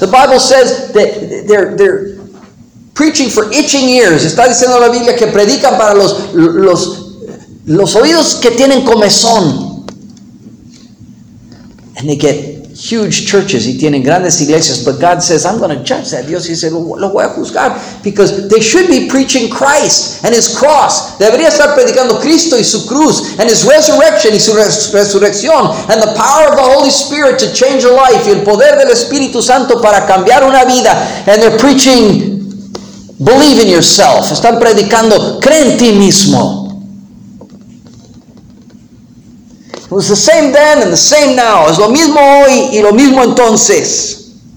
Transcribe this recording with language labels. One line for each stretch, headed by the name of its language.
English: The Bible says that they're preaching for itching ears.
Spanish: Está diciendo la Biblia que predican para los oídos que tienen comezón.
English: And they get huge churches.
Spanish: Y tienen grandes iglesias.
English: But God says, I'm going to judge that.
Spanish: Dios dice, lo voy a juzgar.
English: Because they should be preaching Christ and His cross.
Spanish: Debería estar predicando Cristo y su cruz.
English: And His resurrection
Spanish: y su resurrección.
English: And the power of the Holy Spirit to change a life.
Spanish: Y el poder del Espíritu Santo para cambiar una vida.
English: And they're preaching, believe in yourself.
Spanish: Están predicando, cree en ti mismo.
English: It was the same then and the same now.
Spanish: Es lo mismo hoy y lo mismo entonces.